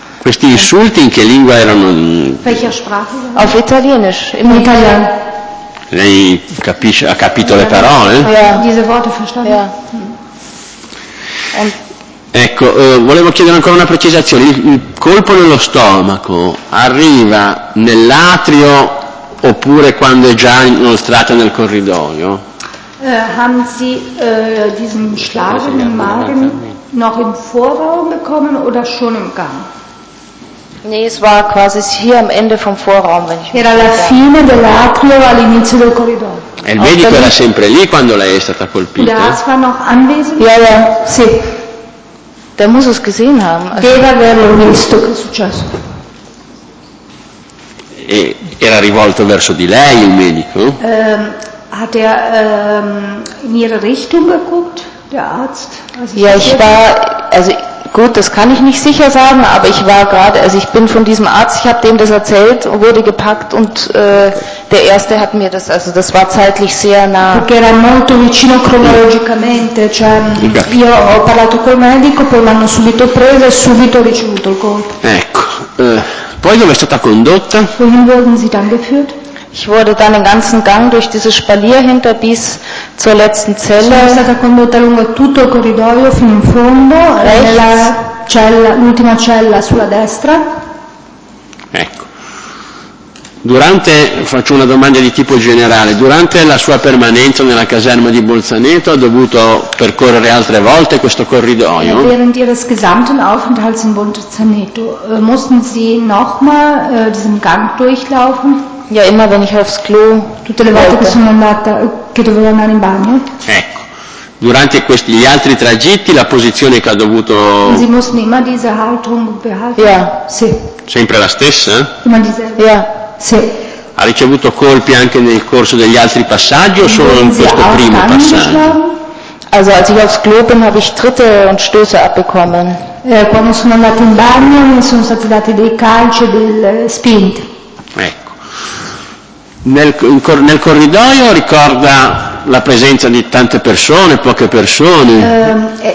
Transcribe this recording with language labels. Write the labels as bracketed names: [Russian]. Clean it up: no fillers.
[Italian] Questi insulti in che lingua erano? [German] Auf Italienisch, in Italien. [Italian] Lei capisce, ha capito le parole? [German] Diese Worte verstanden. [Italian] Ecco, volevo chiedere ancora una precisazione. Il colpo nello stomaco arriva nell'atrio oppure quando è già inoltrato nel corridoio? [German] Haben Sie diesen Schlag in den Magen noch im Vorraum bekommen oder schon im Gang? Nee, es war quasi hier am Ende vom Vorraum, wenn ich mich erinnere. [Italian] Era la fine dell'atrio all'inizio del corridoio. E il medico era sempre lì quando lei è stata colpita? [German] Der Arzt war noch anwesend? Ja, ja, [Italian] sì. [German] Der muss es gesehen haben. [Italian] Deve averlo visto che è successo. E era rivolto verso di lei il medico? [German] Hat er in ihre Richtung geguckt, der Arzt? Ja, ich war, also gut, das kann ich nicht sicher sagen, aber ich war gerade, also ich bin von diesem Arzt, ich habe dem das erzählt, wurde gepackt und der Erste hat mir das, also das war zeitlich sehr nah. [Italian] Perché era molto vicino cronologicamente, cioè io ho parlato col medico, poi l'hanno subito preso e subito ricevuto il colpo. Ecco, poi dove è stata condotta? [German] Wohin wurden Sie dann geführt? Ich wurde dann den ganzen Gang durch dieses Spalier hinter bis zur letzten Zelle. [Italian] Sono stata condotta lungo tutto il corridoio fino in fondo, nella cella, l'ultima cella sulla destra. Ecco. Durante, faccio una domanda di tipo generale, durante la sua permanenza nella caserma di Bolzaneto ha dovuto percorrere altre volte questo corridoio? [German] Während ihres gesamten Aufenthalts in Bolzaneto mussten sie nochmal diesen Gang durchlaufen? Ja, immer wenn ich aufs Klo, [Italian] tutte le volte che sono andata, che dovevo andare in bagno. Ecco, durante questi gli altri tragitti la posizione che ha dovuto. [German] Sie mussten immer diese Haltung behalten. Ja, [Italian] sì. Sempre la stessa? [German] Immer dieselbe. Ja, [Italian] sì. Ha ricevuto colpi anche nel corso degli altri passaggi o solo in questo primo passaggio? [German] Also als ich aufs Klo bin, habe ich Tritte und Stöße abbekommen. [Italian] Quando sono andata in bagno, mi sono stati dati dei calci e delle spinte. Ecco. Nel corridoio ricorda la presenza di tante persone, poche persone.